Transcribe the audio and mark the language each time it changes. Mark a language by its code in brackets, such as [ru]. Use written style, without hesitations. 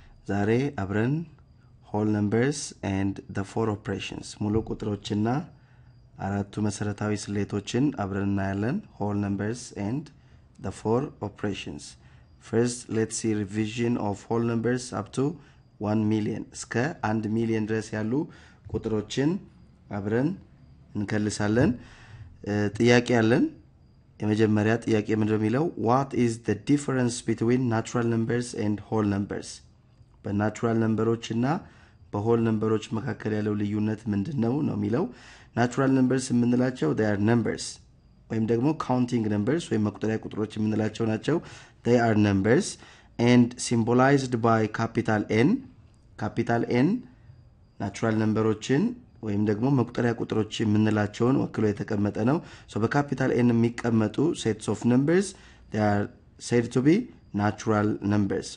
[am] ዛሬ አብረን [en] whole numbers and the four operations [am] ሙሉ ቁጥሮችና አራቱ መሰረታዊ ስሌቶችን አብረን እናያለን። whole numbers and the four operations. [en] First, let's see revision of whole numbers up to 1 million. [am] እስከ 1 million ድረስ ያሉ ቁጥሮችን አብረን እንከልሳለን። ጥያቄ ያለን የመጀመሪያ ጥያቄ ምንድነው የሚለው? [en] What is the difference between natural numbers and whole numbers? [am] በnatural numbers እና በwhole numbers መካከለ ያለው ልዩነት ምንድነው ነው የሚለው? Natural numbers ምንላቸው? [en] They are numbers. [am] ወይም ደግሞ counting numbers ወይም መቁጠሪያ ቁጥሮች ምንላቸው ናቸው? [en] They are numbers and symbolized by capital N. [am] Capital N natural numbersን ወይም ደግሞ መቁጠሪያ ቁጥሮች የምንላቸውን ወክሎ የተቀመጠ ነው። ሶ በካፒታል ኤን የሚቀመጡ [en] sets of numbers they are said to be natural numbers.